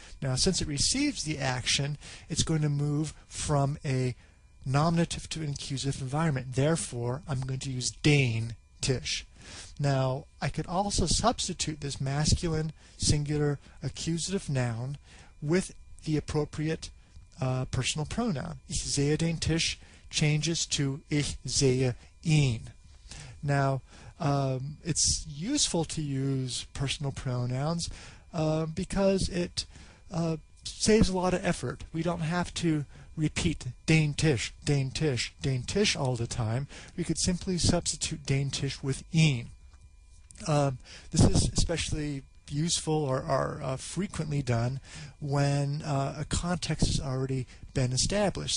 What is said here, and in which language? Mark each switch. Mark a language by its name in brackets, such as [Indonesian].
[English] Now, since it receives the action, it's going to move from a nominative to an accusative environment. Therefore, I'm going to use den Tisch. Now, I could also substitute this masculine singular accusative noun with the appropriate personal pronoun. [German] Ich sehe den Tisch [English] changes to [German] ich sehe ihn. [English] Now, it's useful to use personal pronouns because it saves a lot of effort. We don't have to repeat den Tisch, den Tisch, den Tisch all the time. We could simply substitute den Tisch with ihn. This is especially useful or frequently done when a context has already been established.